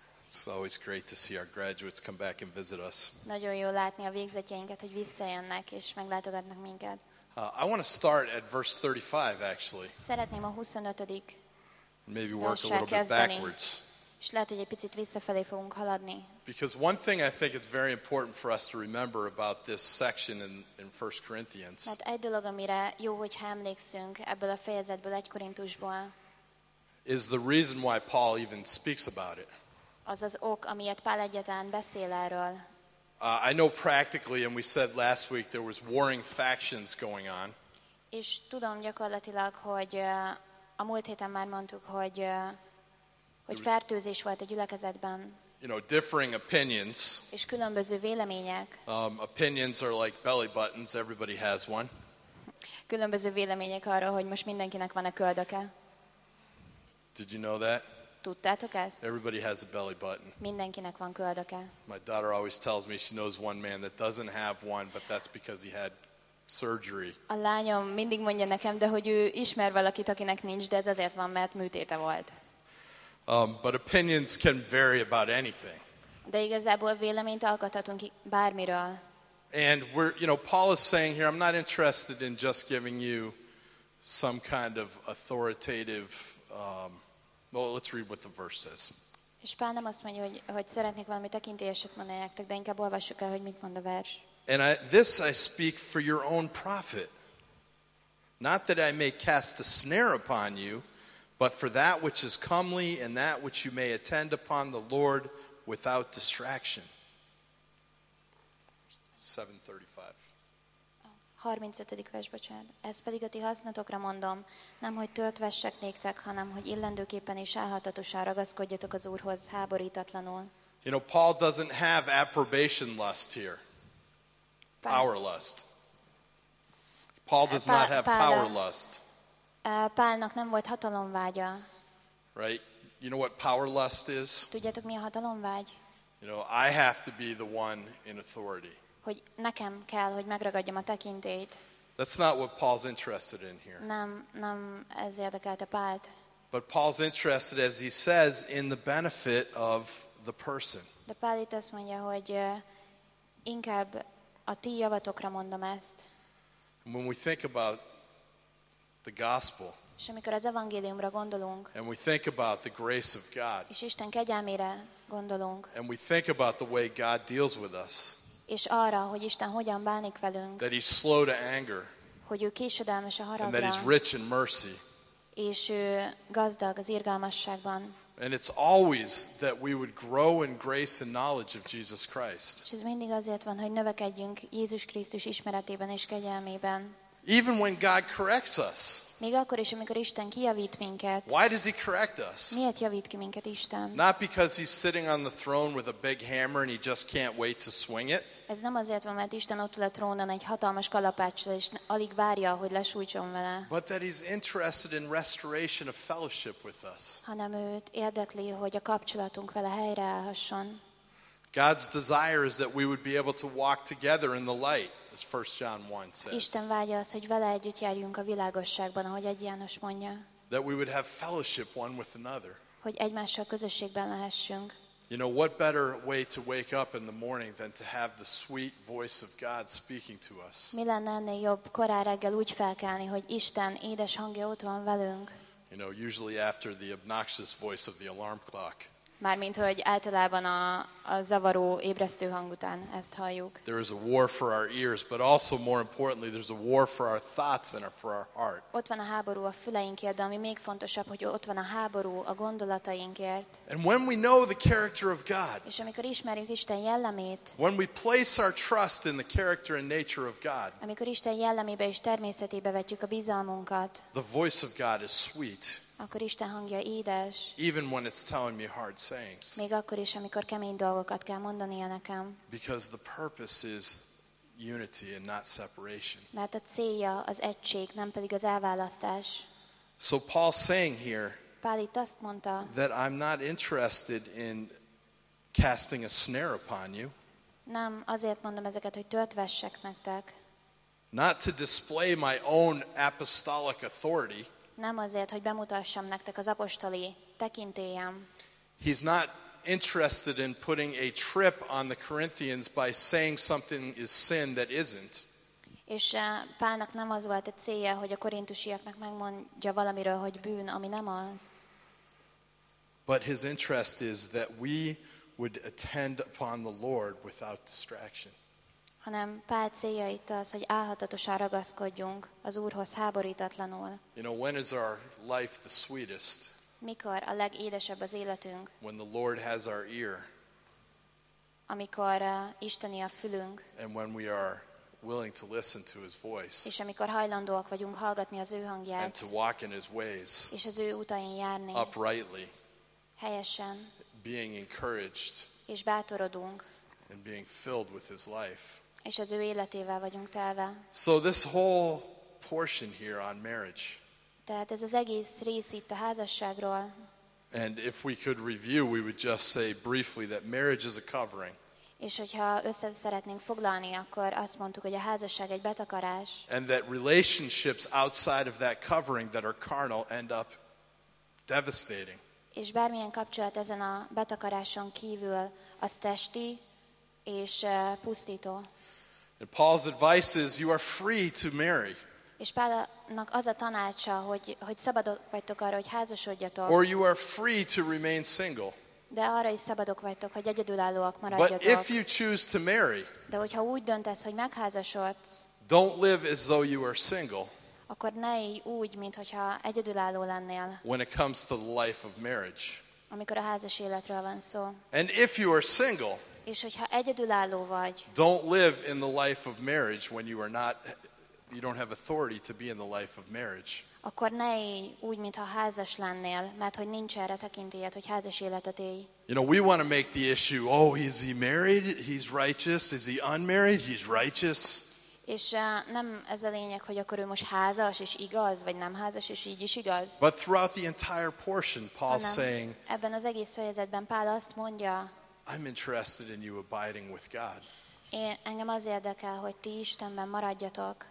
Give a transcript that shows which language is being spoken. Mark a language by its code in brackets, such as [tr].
[en] It's always great to see our graduates come back and visit us. [hu] Nagyon jó látni a végzetjeinket, hogy visszajönnek és meglátogatnak minket. [en] I want to start at verse 35, actually. [hu] Szeretném a 25. [en] Maybe work a little bit backwards. [hu] És lehet, hogy egy picit visszafelé fogunk haladni. [en] Because one thing I think it's very important for us to remember about this section in 1 Corinthians. [hu] Mert egy dolog, amire jó, hogy emlékszünk ebből a fejezetből, 1 Korintusból. [en] Is the reason why Paul even speaks about it. [hu] Az az ok, amiért Pál egyáltalán beszél erről. [en] I know practically, and we said last week, there was warring factions going on. [hu] És tudom gyakorlatilag, hogy a múlt héten már mondtuk, hogy fertőzés volt a gyülekezetben. [en] You know, differing opinions. [hu] És különböző vélemények. [en] Opinions are like belly buttons, everybody has one. [hu] Különböző vélemények arról, hogy most mindenkinek van a köldöke. [en] Did you know that? [hu] Tudtátok ezt? [en] Everybody has a belly button. [hu] Mindenkinek van köldöke. [en] My daughter always tells me she knows one man that doesn't have one, but that's because he had surgery. [hu] A lányom mindig mondja nekem, de hogy ő ismer valakit, akinek nincs, de ez azért van, mert műtéte volt. [en] But opinions can vary about anything. [hu] De igazából véleményt alkothatunk bármiről. [en] And we're, you know, Paul is saying here, I'm not interested in just giving you some kind of authoritative, well, let's read what the verse says. [hu] És Pál nem azt mondja, hogy szeretnék valami tekintélyeset mondani nektek, de inkább olvassuk el, hogy mit mond a vers. [en] And I speak for your own profit. Not that I may cast a snare upon you, but for that which is comely and that which you may attend upon the Lord without distraction. [hu] 35. vers, bocsánat. Ez pedig a ti hasznatokra mondom, nem hogy tölt vessek néktek, hanem hogy illendőképpen és álhatatosan ragaszkodjatok az Úrhoz háborítatlanul. [en] You know, Paul doesn't have approbation lust here. Power lust. Paul does not have power lust. [hu] Pálnak nem volt hatalomvágya. [en] Right? You know what power lust is? [hu] Tudjátok, mi a hatalomvágy? [en] You know, I have to be the one in authority. [hu] Hogy nekem kell, hogy megragadjam a tekintélyt. [en] That's not what Paul's interested in here. [hu] Nem ez érdekelte Pált. [en] But Paul's interested, as he says, in the benefit of the person. [hu] De Pál itt azt mondja, hogy inkább a ti javatokra mondom ezt. [en] When we think about the gospel. [hu] És amikor az evangéliumra gondolunk. [en] And we think about the grace of God. [hu] És Isten kegyelmére gondolunk. [en] And we think about the way God deals with us. [hu] És arra, hogy Isten hogyan bánik velünk. [en] That he's slow to anger. [hu] Hogy ő késedelmes a haragra. [en] And that he's rich in mercy. [hu] És ő gazdag az irgalmasságban. [en] And it's always that we would grow in grace and knowledge of Jesus Christ. [hu] És ez mindig azért van, hogy növekedjünk Jézus Krisztus ismeretében és kegyelmében. [en] Even when God corrects us. [hu] Még akkor is, amikor Isten kijavít minket. [en] Why does he correct us? [hu] Miért javít ki minket Isten? [en] Not because he's sitting on the throne with a big hammer and he just can't wait to swing it. [hu] Ez nem azért van, mert Isten ott ül a trónon egy hatalmas kalapáccsal és alig várja, hogy lesújtson vele. [en] But that he's interested in restoration of fellowship with us. [hu] Hanem őt érdekli, hogy a kapcsolatunk vele helyreállhasson. [en] God's desire is that we would be able to walk together in the light. As 1 John 1 says. [hu] Isten vágya az, hogy vele együtt járjunk a világosságban, ahogy egy János mondja. [en] That we would have fellowship one with another. [hu] Hogy egymással közösségben lehessünk. [en] You know, what better way to wake up in the morning than to have the sweet voice of God speaking to us? [hu] Mi lenne ennél jobb korán reggel úgy felkelni, hogy Isten édes hangja ott van velünk? [en] You know, usually after the obnoxious voice of the alarm clock. [hu] Mármint, hogy általában a zavaró ébresztő hang után ezt halljuk. [en] There is a war for our ears, but also more importantly, there's a war for our thoughts and for our heart. [hu] Ott van a háború a füleinkért, de ami még fontosabb, hogy ott van a háború a gondolatainkért. [en] And when we know the character of God. [hu] És amikor ismerjük Isten jellemét. [en] When we place our trust in the character and nature of God. [hu] Amikor Isten jellemébe és természetébe vetjük a bizalmunkat. [en] The voice of God is sweet. [hu] Akkor Isten hangja édes. [en] Even when it's telling me hard sayings. [hu] Még akkor is, amikor kemény dolgokat kell mondania nekem. [en] Because the purpose is unity and not separation. [hu] Mert a célja az egység, nem pedig az elválasztás. [en] So Paul's saying here, [hu] Pál itt azt mondta, [en] that I'm not interested in casting a snare upon you. [hu] Nem azért mondom ezeket, hogy tört vessek nektek. [en] Not to display my own apostolic authority. [hu] Nem azért, hogy bemutassam nektek az apostoli tekintélyem. [en] He's not interested in putting a trip on the Corinthians by saying something is sin that isn't. [hu] És Pálnak nem az volt a célja, hogy a korintusiaknak megmondja valamiről, hogy bűn, ami nem az. [en] But his interest is that we would attend upon the Lord without distraction. [hu] Hanem Pál célja itt az, hogy álhatatosan ragaszkodjunk az Úrhoz háborítatlanul. [en] You know, when is our life the sweetest? [hu] Mikor a legédesebb az életünk? [en] When the Lord has our ear. [hu] Amikor Isteni a fülünk. [en] And when we are willing to listen to his voice. [hu] És amikor hajlandóak vagyunk hallgatni az ő hangját. [en] And to walk in his ways. [hu] És az ő utain járni. [en] Uprightly. [hu] Helyesen. [en] Being encouraged. [hu] És bátorodunk. [en] And being filled with his life. [hu] És az ő életével vagyunk telve. [en] So this whole portion here on marriage. [hu] Tehát ez az egész rész itt a házasságról. [en] And if we could review, we would just say briefly that marriage is a covering. [hu] És hogyha össze szeretnénk foglalni, akkor azt mondtuk, hogy a házasság egy betakarás. [en] And that relationships outside of that covering that are carnal end up devastating. [hu] És bármilyen kapcsolat ezen a betakaráson kívül, az testi és pusztító. [en] And Paul's advice is you are free to marry. [hu] És Pálnak az a tanácsa, hogy szabadok vagytok arra, hogy házasodjatok. [en] Or you are free to remain single. [hu] De arra is szabadok vagytok, hogy egyedülállóak maradjatok. [en] But if you choose to marry, [hu] de hogyha úgy döntesz, hogy megházasodsz, [en] don't live as though you are single, [hu] akkor ne élj úgy, mintha egyedülálló lennél. [en] When it comes to the life of marriage. [hu] Amikor a házas életről van szó. [en] And if you are single, [hu] és hogyha egyedülálló vagy, [en] don't live in the life of marriage when you are not, you don't have authority to be in the life of marriage. [hu] Akkor ne élj úgy, mintha házas lennél, mert hogy nincs erre tekintélyed, hogy házas életet élj. [en] You know, we want to make the issue, oh, is he married? He's righteous. Is he unmarried? He's righteous. [hu] És nem ez a lényeg, hogy akkor ő most házas és igaz, vagy nem házas és így is igaz. [en] But throughout the entire portion, Paul's saying, [hu] ebben az egész fejezetben Pál azt mondja, [en] I'm interested in you abiding with God. [hu] Engem az érdekel, hogy ti Istenben maradjatok.